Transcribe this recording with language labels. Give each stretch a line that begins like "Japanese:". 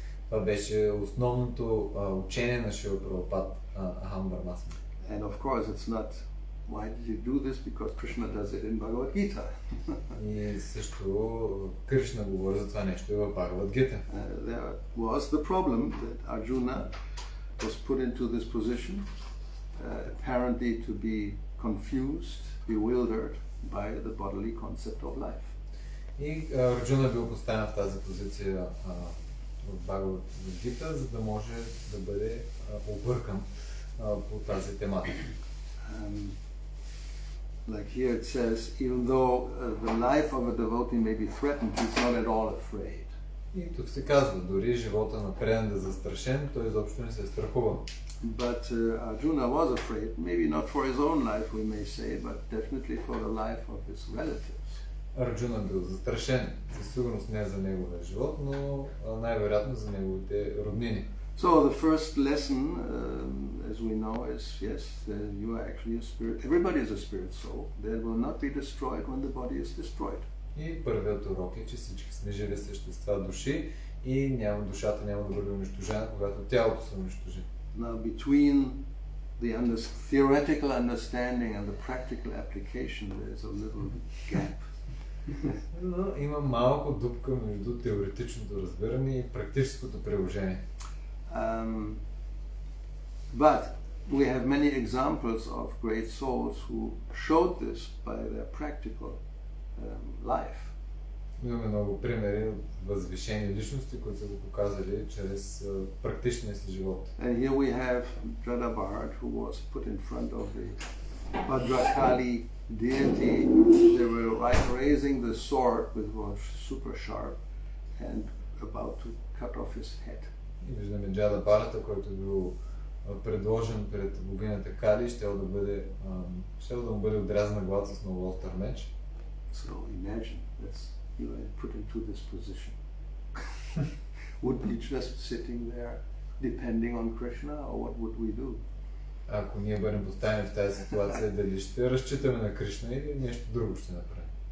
Bulgarian: Това беше основното учение на Шрила Прабхупад,
Sanskrit: Aham Brahmasmi.
English: And of course it's not, why did you do this? Because Krishna does it in Bhagavad Gita.
Bulgarian: И също Кришна говори за това нещо в Бхагавад Гита.
English: There was the problem that Arjuna was put into this position, apparently to be confused, bewildered by the bodily concept of life.
Bulgarian: И Арджуна бил поставен в тази позиция в Бхагавад Гита, за да може да бъде объркан по тази тематика.
English: Like here it says, even though the life of a devotee may be threatened, he's not at all afraid.
Bulgarian: И тук се казва, дори живота на преданък да е застрашен, той изобщо не се страхува.
English: But Arjuna was afraid, maybe not for his own life, we may say, but definitely for the life of his relatives.
Bulgarian: Arjuna бил застрашен, със сигурност не за неговия живот, но най-вероятно за неговите роднини.
English: So the first lesson, as we know, is yes, you are actually a spirit. Everybody is a spirit soul. They will not be destroyed when the body is destroyed.
Bulgarian: И първият урок е, че всички сме живи същества, души, и душата няма да бъде унищожена, когато тялото се унищожи.
English: Now between the theoretical understanding and the practical application, there is a little gap.
Bulgarian: Но има малко дупка между теоретичното разбиране и практическото приложение.
English: But we have many examples of great souls who showed this by their practical life.
Bulgarian: Имаме много примери от възвишени личности, които са го показали чрез практичния си живот.
English: And here we have Jada Bharat, who was put in front of the Bhadrakali deity. They were like raising the sword, which was super sharp, and about to cut off his head.
Bulgarian: И виждаме Джада Бхарата, който е бил предложен пред богинята Кали, ще да му бъде отрязана глава с много остър меч.
English: So imagine that's you are put into this position. Would be just sitting there depending on Krishna, or what would we do?
Bulgarian: Ако ние бъдем поставени в тази ситуация, дали ще разчитаме на Кришна или нещо друго ще направим?